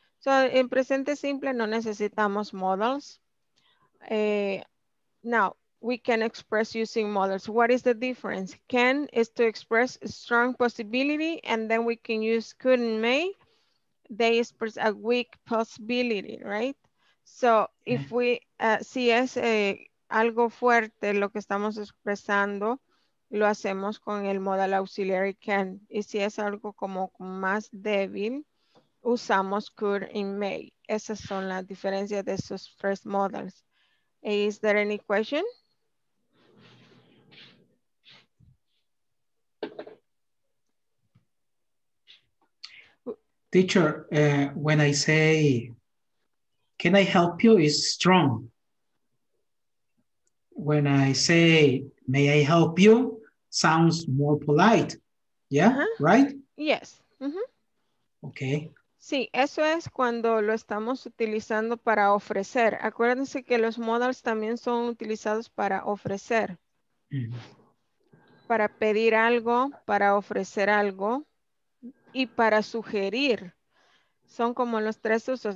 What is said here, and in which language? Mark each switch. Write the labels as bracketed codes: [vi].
[en] So in [es] presente simple, no necesitamos models. [en] Now, we can express using models. What is the difference? Can is to express a strong possibility, and then we can use could and may. They express a weak possibility, right? So if we, [es] si es algo fuerte lo que estamos expresando, lo hacemos con el modal [en] auxiliary can. [es] Y si es algo como más débil, usamos [en] could and may. [es] Esas son las diferencias de esos [en] first models. Is there any question? Teacher, when I say, can I help you, is strong. When I say, may I help you, sounds more polite. Yeah, uh-huh. Right? Yes. Mm-hmm. Okay. [es] Sí, eso es cuando lo estamos utilizando para ofrecer. Acuérdense que los modals también son utilizados para ofrecer. Mm-hmm. Para pedir algo, para ofrecer algo. Y para sugerir, son como los tres usos.